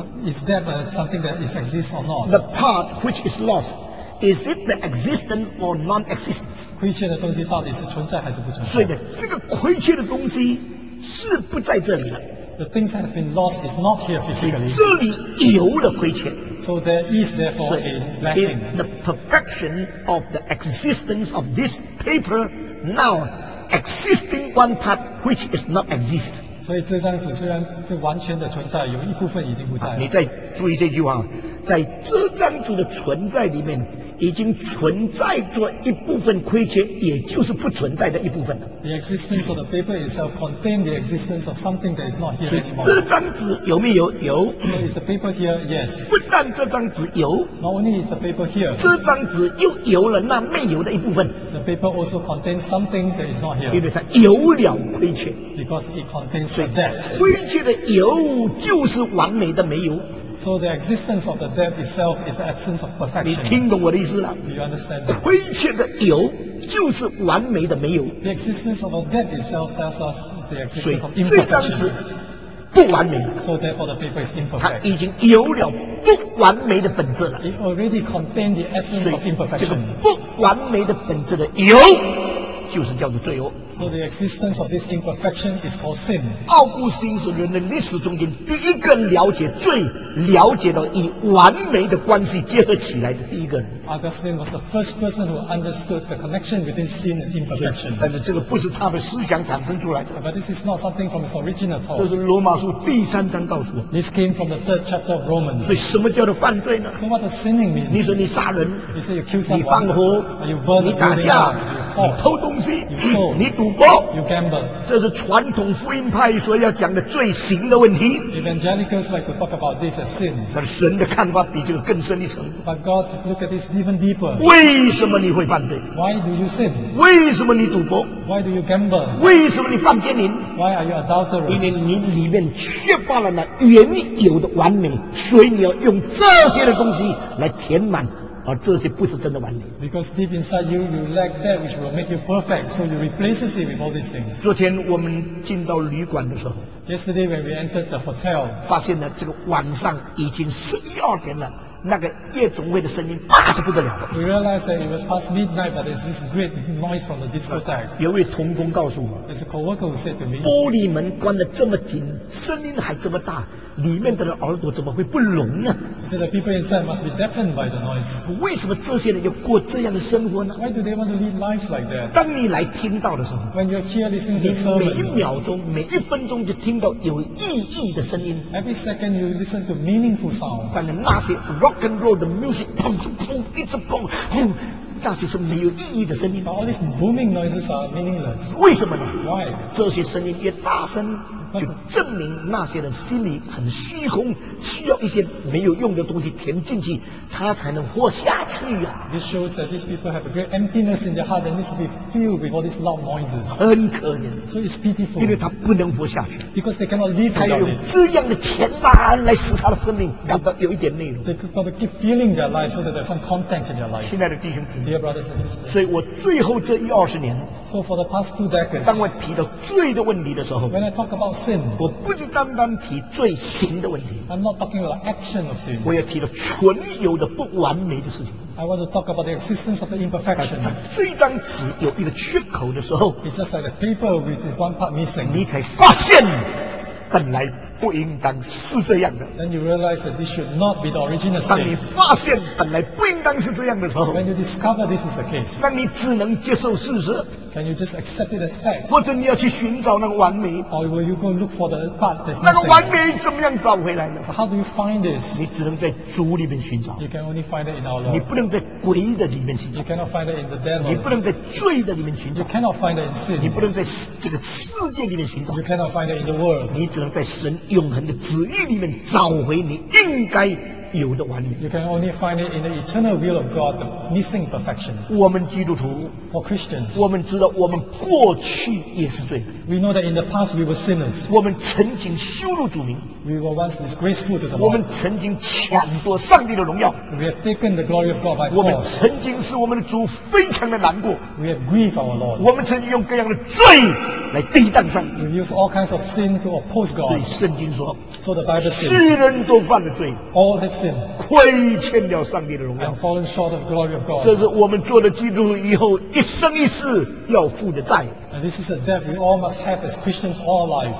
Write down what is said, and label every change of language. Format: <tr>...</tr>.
<en>Is that something that is exist or not? The part which is lost, is it the existence or non-existence?</en> <zh>亏欠的东西到底是存在还是不存在？所以呢，这个亏欠的东西是不在这里了。</zh> <en>The things that have been lost is not here physically.</en> <zh>这里有了亏欠。</zh> <en>So there is therefore a lacking. The perfection of the existence of this paper now existing one part which is not exist.</en> <zh>所以这张纸虽然是完全的存在，有一部分已经不在了。你再注意这句话，在这张纸的存在里面已经存在着一部分亏欠，也就是不存在的一部分了。</zh> <en>The existence of the paper itself contains the existence of something that is not here anymore.</en> <zh>这张纸有没有？有。</zh> <en>Is the paper here? Yes.</en> <zh>不但这张纸有。</zh> <en>Not only is the paper here.</en> <zh>这张纸又有了那没有的一部分。</zh> <en>The paper also contains something that is not here.</en> <zh>因为它有了亏欠。</zh> <en>Because it contains the debt.</en> <zh>亏欠的有就是完美的没有。</zh> <en>So the existence of the debt itself is the absence of perfection.</en> <zh>你听懂我的意思了？</zh> <en>Do you understand that?</en> <zh>亏欠的有就是完美的没有。</zh> <en>The existence of the debt itself tells us the existence of</en> <zh>imperfection. 所以这张纸不完美。</zh> <en>So therefore the paper is imperfect.</en> <zh>它已经有了不完美的本质了。</zh> <en>It already contains the essence of imperfection.</en> <zh>这个不完美的本质的有。就是叫做罪恶。</zh> <en>So the existence of this imperfection is called sin.</en> <zh>奥古斯丁是人类历史中间第一个了解罪、了解到以完美的关系结合起来的第一个人。</zh> <en>Augustine was the first person who understood the connection between sin and imperfection.</en> <zh>但是这个不是他的思想产生出来的。</zh> <en>But this is not something from his original thought.</en> <zh>这是罗马书第三章告诉我。</zh> <en>This came from the third chapter of Romans.</en> <zh>所以什么叫做犯罪呢？</zh> <en>So what does sinning mean?</en> <zh>你说你杀人，</zh> <en>you say you kill someone,</en> <zh>你放火，</zh> <en>or you burn</en> <zh>你打架。你偷东西，</zh> <en>you</en> <zh>stole, 你赌博，</zh> <en>you gamble.</en> <zh>这是传统福音派所要讲的罪行的问题。</zh> <en>Evangelicals like to talk about this as sins.</en> <zh>但神的看法比这个更深一层。</zh> <en>But God look at this even deeper.</en> <zh>为什么你会犯罪？</zh> <en>Why do you sin?</en> <zh>为什么你赌博？</zh> <en>Why do you gamble?</en> <zh>为什么你犯奸淫？</zh> <en>Why are you adulterous?</en> <zh>因为你里面缺乏了那原有的完美，所以你要用这些的东西来填满。而这些不是真的完美。</zh> <en>Because deep inside you, you lack that which will make you perfect, so you replace it with all these things.</en> <zh>昨天我们进到旅馆的时候，</zh> <en>Yesterday when we entered the hotel,</en> <zh>发现了这个晚上已经11、12点了。那个夜总会的声音大得不得了。</zh> <en>We realized that it was past midnight, but there's this great noise from the discotheque.</en> <zh>有位同工告诉我，</zh> <en>There's a coworker who said to me,</en> <zh>玻璃门关得这么紧，声音还这么大，里面的耳朵怎么会不聋呢？</zh> <en>He said that people inside must be deafened by the noise.</en> <zh>为什么这些人要过这样的生活呢？</zh> <en>Why do they want to lead lives like that?</en> <zh>当你来听到的时候，</zh> <en>When you're here listening to sermon,</en> <zh>你每一秒钟、每一分钟就听到有意义的声音。</zh> <en>Every second you listen to meaningful sounds.</en> <zh>但是那些</zh> <en>rock and roll</en> <zh>的 music, 砰砰砰，一直砰，砰。那些是没有意义的声音。</zh> <en>All these booming noises are meaningless.</en> <zh>为什么呢？</zh> <en>Why?</en> <zh>这些声音越大声，就证明那些人心里很虚空，需要一些没有用的东西填进去，他才能活下去呀。</zh> <en>This shows that these people have a great emptiness in their heart that needs to be filled with all these loud noises.</en> <zh>很可怜。</zh> <en>So it's pitiful.</en> <zh>因为他不能活下去。</zh> <en>Because they cannot live.</en> <zh>他要用这样的填满来使他的生命感到有一点内容。</zh> <en>They got to keep filling their life so that there's some contents in their life.</en> <zh>亲爱的弟兄姊妹。</zh> <en>Dear brothers and sisters,</en> <zh>所以我最后这一二十年，</zh> <en>so for the past two decades,</en> <zh>当我提到罪的问题的时候，</zh> <en>when I talk about sin,</en> <zh>我不是单单提罪行的问题，</zh> <en>I'm not talking about action of sin,</en> <zh>我也提到存有的不完美的事情。</zh> <en>I want to talk about the existence of the imperfection.</en> <zh>这张纸有一个缺口的时候，</zh> <en>it's just like the paper which is one part missing,</en> <zh>你才发现本来不应当是这样的。</zh> <en>Then you realize that this should not be the original sin.</en> <zh>当你发现本来不应当是这样的时候，</zh> <en>When you discover this is the case,</en> <zh>当你只能接受事实，</zh> <en>Can you just accept it as fact?</en> <zh>或者你要去寻找那个完美，</zh> <en>Or will you go look for the part that's</en> <zh>missing? 那个完美怎么样找回来呢？</zh> <en>But how do you find this?</en> <zh>你只能在主里面寻找。</zh> <en>You can only find it in our Lord.</en> <zh>你不能在鬼的里面寻找。</zh> <en>You cannot find it in the devil.</en> <zh>你不能在罪的里面寻找。</zh> <en>You cannot find it in sin.</en> <zh>你不能在这个世界里面寻找。</zh> <en>You cannot find it in the world.</en> <zh>你只能在神永恒的旨意里面找回你应该有的完美。</zh> <en>You can only find it in the eternal will of God, the missing perfection.</en> <zh>我们基督徒</zh> <en>，for Christians,</en> <zh>我们知道我们过去也是罪。</zh> <en>We know that in the past we were sinners.</en> <zh>我们曾经羞辱主名。</zh> <en>We were once disgraceful to the Lord.</en> <zh>我们曾经抢夺上帝的荣耀。</zh> <en>We have taken the glory of God by force.</en> <zh>我们曾经使我们的主非常的难过。</zh> <en>We have grieved our Lord.</en> <zh>我们曾经用各样的罪来抵挡上帝。</zh> <en>We use all kinds of sin to oppose God.</en> <zh>所以圣经说。</zh> <en>So the Bible says,</en> <zh>世人都犯了罪，</zh> <en>all have sinned,</en> <zh>亏欠了上帝的荣耀，</zh> <en>and fallen short of the glory of God.</en> <zh>这是我们做了基督徒以后一生一世要付的债。</zh> <en>And this is a debt we all must have as Christians all alive.</en>